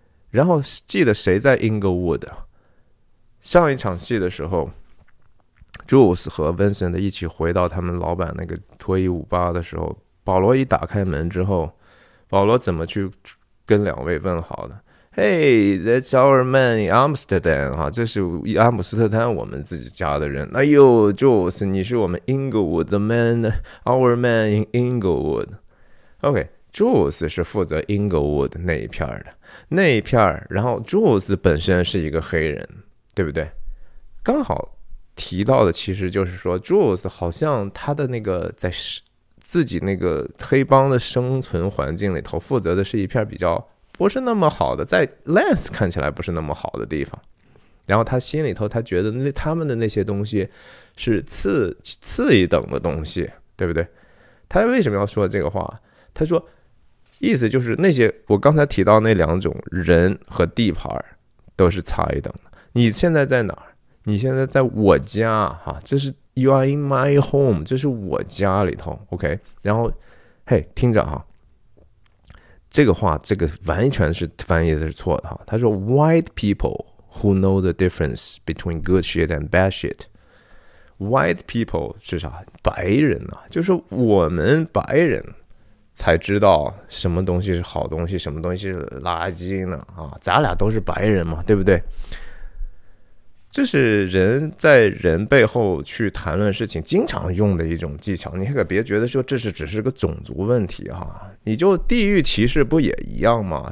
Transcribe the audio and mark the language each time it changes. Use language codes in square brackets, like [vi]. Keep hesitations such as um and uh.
[zh] 然后记得谁在 Inglewood 上一场戏的时候，Jules 和 Vincent 一起回到他们老板那个脱衣舞吧的时候，保罗一打开门之后，保罗怎么去跟两位问好的？ [en] Hey, that's our man in Amsterdam [zh] 啊，这是阿姆斯特丹我们自己家的人。哎呦，Jules，你是我们 Inglewood 的 man， [en] our man in Inglewood。 OK。 [zh] j u l e s 是负责 Inglewood 那一片的，那一片然后 j u l e s 本身是一个黑人，对不对？刚好提到的其实就是说 j u l e s 好像他的那个在自己那个黑帮的生存环境里头，负责的是一片比较不是那么好的，在 Lance 看起来不是那么好的地方。然后他心里头他觉得那他们的那些东西是次次一等的东西，对不对？他为什么要说这个话？他说。意思就是那些我刚才提到那两种人和地盘都是差一等的。你现在在哪儿？你现在在我家哈，这是 [en] you are in my home， [zh] 这是我家里头。 OK，然后，嘿，听着哈，这个话这个完全是翻译的是错的哈。他说 [en] white people who know the difference between good shit and bad shit，white people [zh] 是啥？白人啊，就是我们白人。才知道什么东西是好东西，什么东西是垃圾呢？啊，咱俩都是白人嘛，对不对？这是人在人背后去谈论事情经常用的一种技巧。你可别觉得说这是只是个种族问题哈、啊，你就地域歧视不也一样吗？